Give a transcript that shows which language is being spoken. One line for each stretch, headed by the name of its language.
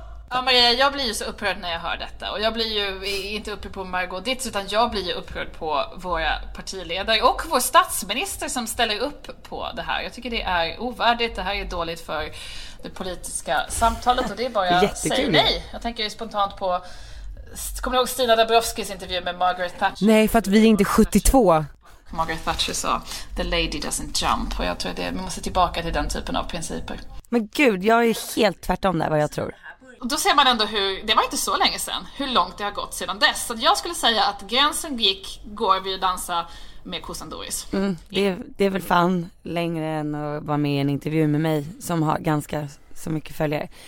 Swedish: Ja, Maria, jag blir ju så upprörd när jag hör detta. Och jag blir ju inte upprörd på Margot Ditts, utan jag blir ju upprörd på våra partiledare och vår statsminister som ställer upp på det här. Jag tycker det är ovärdigt, det här är dåligt för det politiska samtalet. Och det är bara att säga nej. Jag tänker ju spontant på, kommer du ihåg Stina Dabrowskis intervju med Margaret Thatcher? Nej, för att vi är inte 72.
English: Margaret Thatcher
Swedish: sa,
English: the lady doesn't jump.
Swedish: Och jag tror att vi måste tillbaka till den typen av principer. Men gud, jag är helt tvärtom där vad jag tror. Och då ser man ändå hur, det var inte så länge sedan, hur långt det har gått sedan dess. Så jag skulle säga att gränsen gick, går vi att dansa med kossan Doris. Mm, det är väl fan längre än att vara med i en intervju med mig som har ganska så mycket följare.